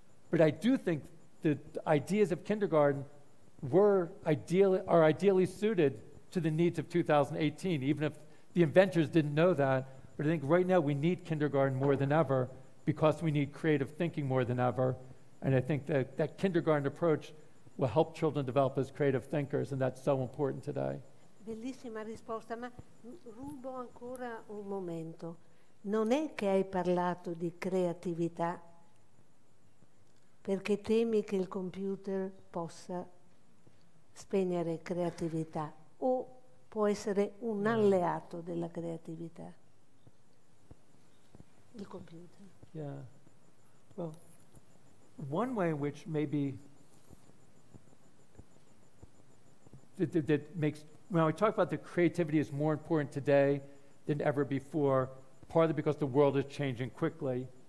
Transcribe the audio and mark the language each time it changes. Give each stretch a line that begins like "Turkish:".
English: But I do think the ideas of kindergarten are ideally suited to the needs of 2018, even if the inventors didn't know that. But I think right now we need kindergarten more than ever because we need creative thinking more than ever. And I think that that kindergarten approach will help children develop as creative thinkers, and that's so important today.
Italian: Bellissima risposta, ma rubo ancora un momento. Non è che hai parlato di creatività perché temi che il computer possa spegnere creatività o può essere un alleato della creatività. Il computer.
English: Yeah. Well, one way in which maybe that makes, when we talk about the creativity is more important today than ever before, partly because the world is changing quickly.